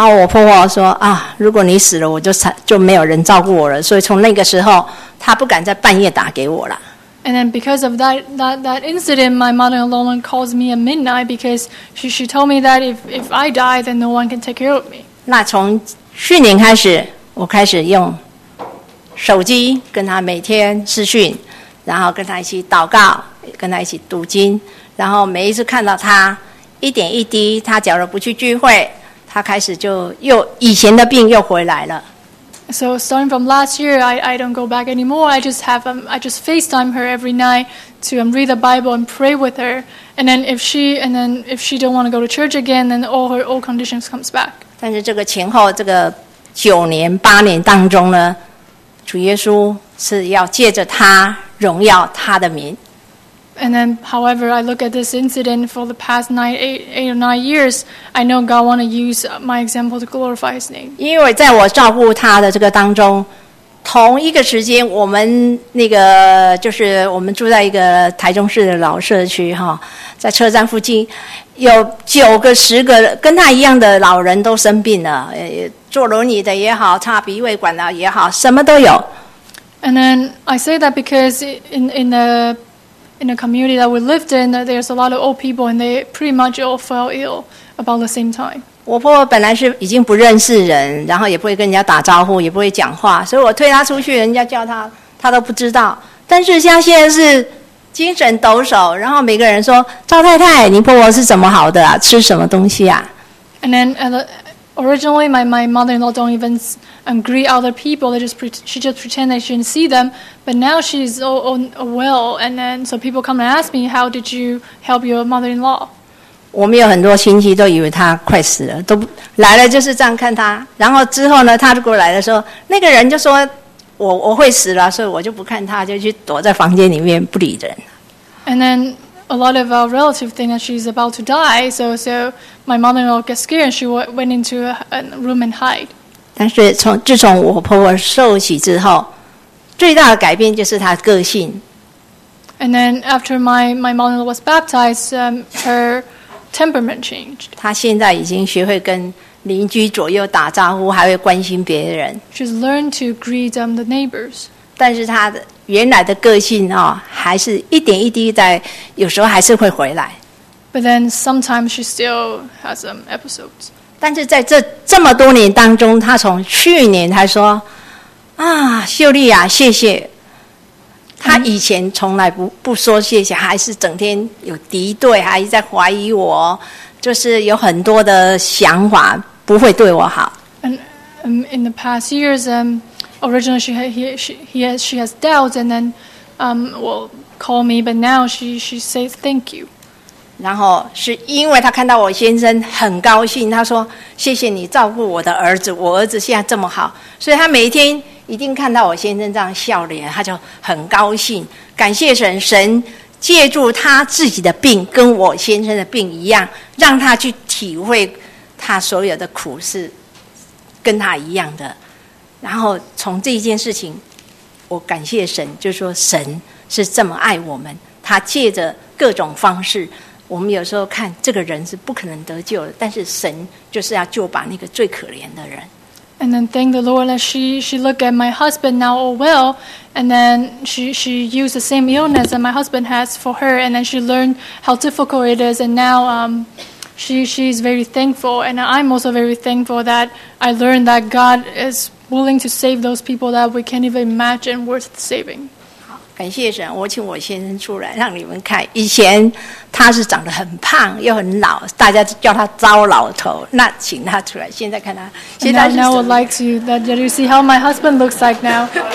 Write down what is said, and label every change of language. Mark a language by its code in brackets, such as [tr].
[zh] 然后我婆婆说啊，如果你死了，我就没有人照顾我了。所以从那个时候，她不敢在半夜打给我了。 [en] And then because of that incident, my mother-in-law calls me at midnight because she told me that if I die, then no one can take care of me. [zh] 那从去年开始，我开始用手机跟她每天视讯，然后跟她一起祷告，跟她一起读经，然后每一次看到她。一点一滴，他假如不去聚会，他开始就又以前的病又回来了。 [en] So starting from last year, I don't go back anymore. I just have I just FaceTime her every night to read the Bible and pray with her. And then if she don't want to go to church again, then all her old conditions comes back. [zh] 但是这个前后这个9年8年当中呢，主耶稣是要借着他荣耀他的名。 [en] And then, however, I look at this incident for the past eight or nine years, I know God want to use my example to glorify his name. [zh] 因为在我照顾他的这个当中，同一个时间，我们那个就是我们住在一个台中市的老社区哈，在车站附近，有9个10个跟他一样的老人都生病了，坐轮椅的也好，插鼻胃管的也好，什么都有。 [en] And then I say that because in a community that we lived in, there's a lot of old people, and they pretty much all fell ill about the same time. [zh] 我婆婆本来是已经不认识人，然后也不会跟人家打招呼，也不会讲话，所以我推她出去，人家叫她，她都不知道。但是像现在是精神抖擞，然后每个人说：“赵太太，你婆婆是怎么好的啊？吃什么东西啊？” [en] And then originally, my mother-in-law don't even greet other people. She just pretend that she didn't see them. But now she's all well. And then, so people come and ask me, how did you help your mother-in-law? [zh] 我们有很多亲戚都以为她快死了，都来了就是这样看她。然后之后呢，她如果来的时候，那个人就说我会死了，所以我就不看她，就去躲在房间里面不理人。 [en] And then a lot of our relatives think that she's about to die. So my mother-in-law gets scared. She went into a room and hide. [zh] 但是自从我婆婆受洗之后，最大的改变就是她个性。 [en] And then after my mother-in-law was baptized, her temperament changed. [zh] 她现在已经学会跟邻居左右打招呼，还会关心别人。 [en] She's learned to greet the neighbors. [zh] 但是她的原来的个性啊，还是一点一滴在，有时候还是会回来。 [en] But then sometimes she still has some episodes. [zh] 但是在这么多年当中，她从去年她说：“啊，秀丽啊，谢谢。” 她以前从来不说谢谢，还是整天有敌对，还是在怀疑我，就是有很多的想法不会对我好。 [en] And in the past years, originally she has doubts, and then call me, but now she says thank you. [zh] 然后是因为他看到我先生很高兴，他说谢谢你照顾我的儿子，我儿子现在这么好，所以他每一天一定看到我先生这样笑脸，他就很高兴，感谢神，神借助他自己的病跟我先生的病一样，让他去体会他所有的苦是跟他一样的。然后从这一件事情，我感谢神，就说神是这么爱我们，他借着各种方式，我们有时候看这个人是不可能得救的，但是神就是要救把那个最可怜的人。 [en] And then thank the Lord that she looked at my husband now all well, and then she used the same illness that my husband has for her, and then she learned how difficult it is, and now she's very thankful, and I'm also very thankful that I learned that God is willing to save those people that we can't even imagine worth saving. [zh] 感谢神，我请我先生出来让你们看。以前他是长得很胖又很老，大家叫他糟老头。那请他出来，现在看他。 [en] Now I would like to let you see how my husband looks like now.